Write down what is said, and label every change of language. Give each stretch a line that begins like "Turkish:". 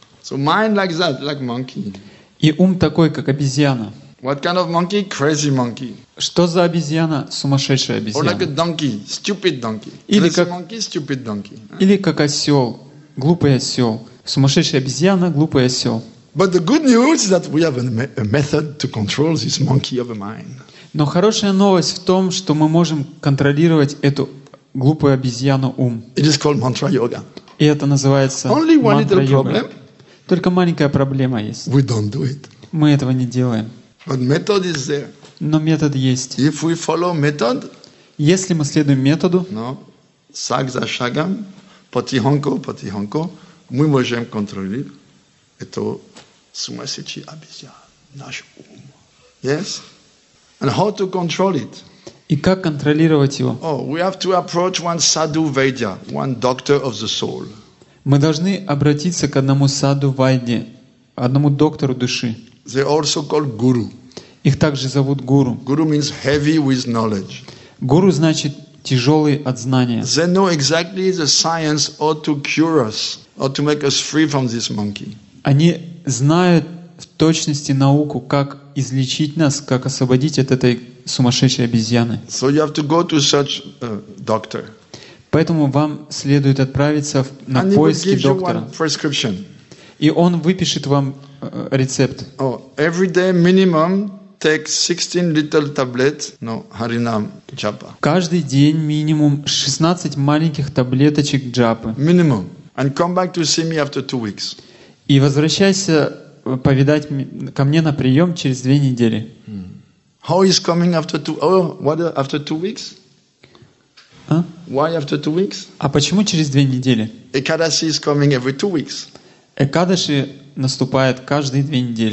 English: So mind like that, like monkey.
Russian: И ум такой, как обезьяна.
English: What kind of monkey? Crazy monkey.
Russian: Что за обезьяна? Сумасшедшая обезьяна.
English: Or like a donkey, stupid donkey.
Russian: Или
English: crazy
Russian: как
English: monkey, stupid donkey.
Russian: Или как осел, глупый осел, сумасшедшая обезьяна, глупый осел.
English: But the good news is that we have a method to control this monkey of a mind.
Russian: Но хорошая новость в том, что мы можем контролировать эту глупую обезьяну ум.
English: It is called mantra yoga.
Russian: И это называется
English: only one little problem.
Russian: Только маленькая проблема есть.
English: We don't do it.
Russian: Мы этого не делаем.
English: But method is there.
Russian: Но метод есть.
English: If we follow method,
Russian: если мы следуем методу, no, шаг за шагом, потихоньку, мы можем контролировать эту сумасшедшую обезьяну, наш ум.
English: Yes? And how to control it?
Russian: И как контролировать его?
English: Oh, we have to approach one sadhu vaidya, one doctor of the soul.
Russian: Мы должны обратиться к одному саду вайде, одному доктору души.
English: They also call guru.
Russian: Их также зовут гуру.
English: Guru means heavy with knowledge.
Russian: Guru значит тяжелый от знания.
English: They know exactly the science how to cure us, how to make us free from this monkey.
Russian: Они знают в точности науку, как излечить нас, как освободить от этой сумасшедшей обезьяны.
English: So you have to go to such doctor.
Russian: Поэтому вам следует отправиться на поиски доктора. И он выпишет вам рецепт.
English: Oh, every day minimum take 16 little tablets, no, Harinam Japa.
Russian: Каждый день минимум 16 маленьких таблеточек джапы.
English: Minimum. And come back to see me after 2 weeks.
Russian: И возвращайся повидать ко мне на прием через 2 недели.
English: How is coming after 2 weeks? Why after 2 weeks?
Russian: А почему через 2 недели? Экадаси is coming every 2 weeks. Экадаши наступает каждые 2 недели.